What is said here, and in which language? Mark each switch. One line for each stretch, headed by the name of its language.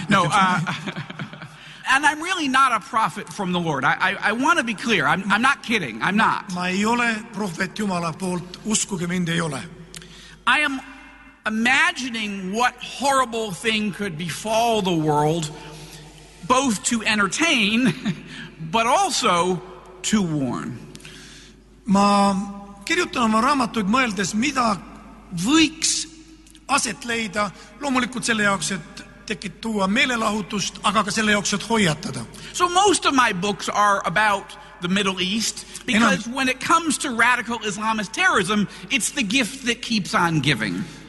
English: No, and I'm really not a prophet from the Lord. I want to be clear. I'm not kidding. I'm not.
Estonian: Ma ei ole prohvet Jumala poolt. Uskuge mind, ei ole.
English: I am imagining what horrible thing could befall the world, both to entertain, but also to warn.
Estonian: Ma kirjutan oma raamatuid mõeldes, mida võiks aset leida, loomulikult selle jaoks, et tekid tuua meelelahutust, aga ka selle jaoks, et hoiatada.
English: So most of my books are about the Middle East, because when it comes to radical Islamist terrorism, it's the gift that keeps on giving.